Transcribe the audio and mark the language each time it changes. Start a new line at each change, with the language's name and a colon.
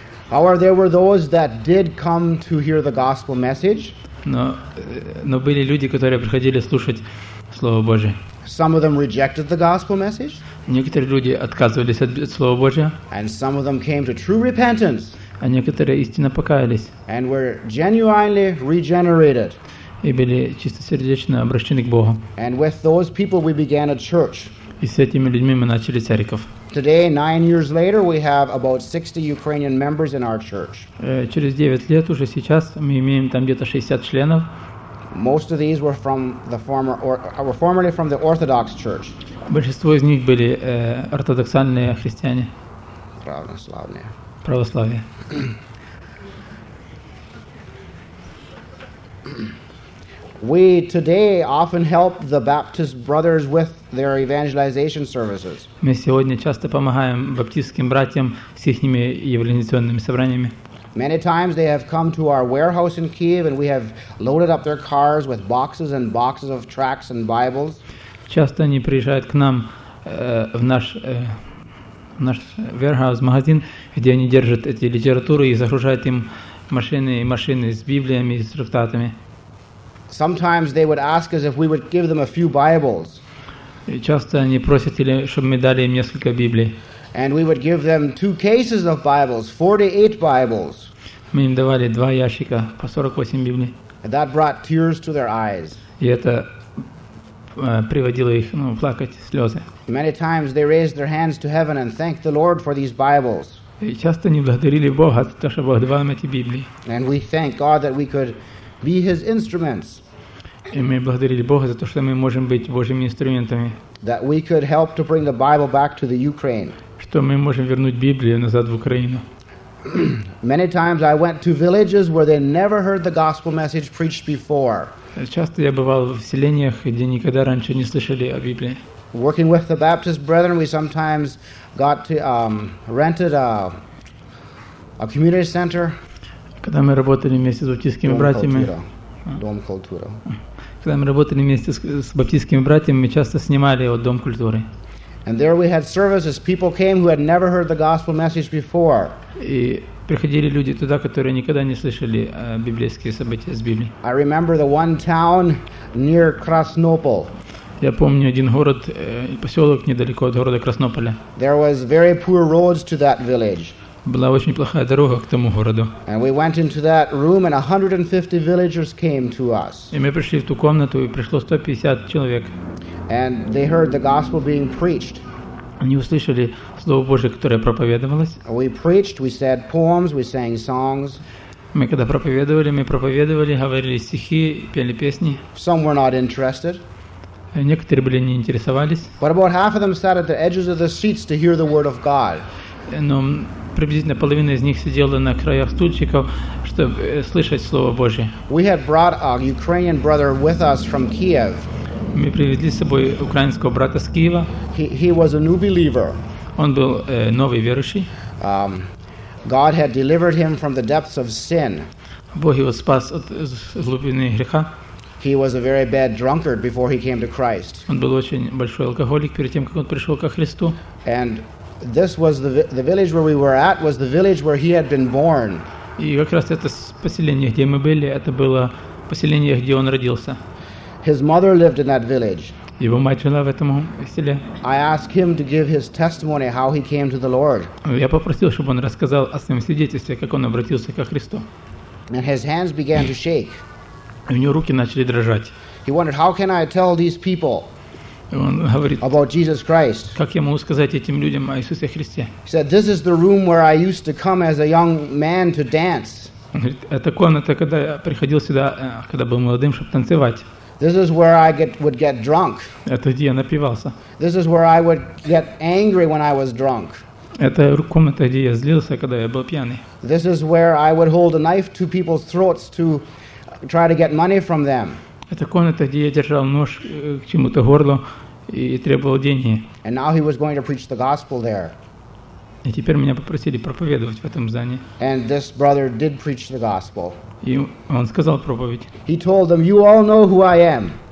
English: However, there were those that did come to hear the gospel message.
Russian: Но были люди, которые приходили слушать Слово Божие.
English: Some of them rejected the gospel message.
Russian: Некоторые люди отказывались от Слова Божия.
English: And some of them came to true repentance.
Russian: А некоторые истинно покаялись.
English: And were genuinely regenerated.
Russian: И были чистосердечно обращены к Богу.
English: And with those people we began a church.
Russian: И с этими людьми мы начали церковь.
English: Today, 9 years later, we have about 60 Ukrainian members in our church.
Russian: Через 9 лет уже сейчас мы имеем там где-то 60 членов.
English: Most of these were from the former or were formerly from the Orthodox Church.
Russian: Большинство из них были ортодоксальные христиане. Православные. Православие. Православие.
English: We today often help the Baptist brothers with their evangelization services.
Russian: Мы сегодня часто помогаем баптистским братьям с ихними евангелизационными собраниями.
English: Many times they have come to our warehouse in Kyiv and we have loaded up their cars with boxes and boxes of tracts and Bibles.
Russian: Часто они приезжают к нам в наш warehouse магазин, где они держат эти литературы и загружают им машины с Библиями и с трактатами.
English: Sometimes they would ask us if we would give them a few Bibles.
Russian: Часто они просят, чтобы мы дали им несколько Библий.
English: And we would give them two cases of Bibles, 48 Bibles.
Russian: Мы им давали два ящика по 48 Библий.
English: That brought tears to their eyes.
Russian: И это приводило их, плакать слезы.
English: Many times they raised their hands to heaven and thanked the Lord for these Bibles.
Russian: И часто они благодарили Бога за то, что Бог дал им эти Библии.
English: And we thank God that we could be His instruments.
Russian: И мы благодарили Бога за то, что мы можем быть Божьими инструментами.
English: That we could help to bring the Bible back to the Ukraine.
Russian: Что мы можем вернуть Библию назад в Украину.
English: Many times I went to villages where they never heard the gospel message preached before.
Russian: Часто я бывал в селениях, где никогда раньше не слышали о Библии.
English: Working with the Baptist brethren, we sometimes got to rented a community center.
Russian: Когда мы работали вместе с баптистскими братьями, дом культуры. Когда мы работали вместе с баптистскими братьями, мы часто снимали его дом культуры.
English: And there we had services. People came who had never heard the gospel message before.
Russian: И приходили люди туда, которые никогда не слышали библейские события с Библии.
English: I remember the one town near Краснополь.
Russian: Я помню один город, поселок недалеко от города Краснополя.
English: There was very poor roads to that village.
Russian: Была очень плохая дорога к тому городу.
English: And we went into that room and 150 villagers came to us.
Russian: И мы пришли в ту комнату, и пришло 150 человек.
English: And they heard the gospel being preached.
Russian: Они услышали Слово Божие, которое проповедовалось.
English: We preached, we said poems, we sang songs.
Russian: Мы когда проповедовали, говорили стихи, пели песни.
English: Some were not interested.
Russian: Некоторые были не интересовались.
English: But about half of them sat at the edges of the seats to hear the word of God.
Russian: Но приблизительно половина из них сидела на краях стульчиков, чтобы слышать Слово Божие.
English: We had brought a Ukrainian brother with us from Kyiv.
Russian: Мы привезли с собой украинского брата с Киева.
English: He was a new believer.
Russian: Он был новый верующий.
English: God had delivered him from the depths of sin.
Russian: Бог его спас от глубины греха.
English: He was a very bad drunkard before he came to Christ.
Russian: Он был очень большой алкоголик перед тем, как он пришел ко Христу.
English: And this was the village where we were at was the village where he had been born.
Russian: И как раз это поселение, где мы были, это было поселение, где он родился.
English: His mother lived in that village.
Russian: Его мать жила в этом селе.
English: I asked him to give his testimony how he came to the Lord.
Russian: Я попросил, чтобы он рассказал о своем свидетельстве, как он обратился ко Христу.
English: And his hands began to shake.
Russian: И у него руки начали дрожать.
English: He wondered, how can I tell these people?
Russian: Он говорит, about Jesus Christ. Как я могу сказать этим людям о Иисусе Христе?
English: He said, this is the room where I used to come as a young man to dance.
Russian: Он говорит, это комната, когда я приходил сюда, когда был молодым, чтобы танцевать.
English: This is where I would get drunk.
Russian: Это где я напивался.
English: This is where I would get angry when I was drunk.
Russian: Это комната, где я злился, когда я был пьяный.
English: This is where I would hold a knife to people's throats to try to get money from them.
Russian: Это комната, где я держал нож к чему-то горлу и требовал деньги.
English: And now he was going to preach the gospel there.
Russian: И теперь меня попросили проповедовать в этом здании.
English: And this brother did preach the gospel.
Russian: И он сказал проповедь.
English: He told them, "You all know who I am."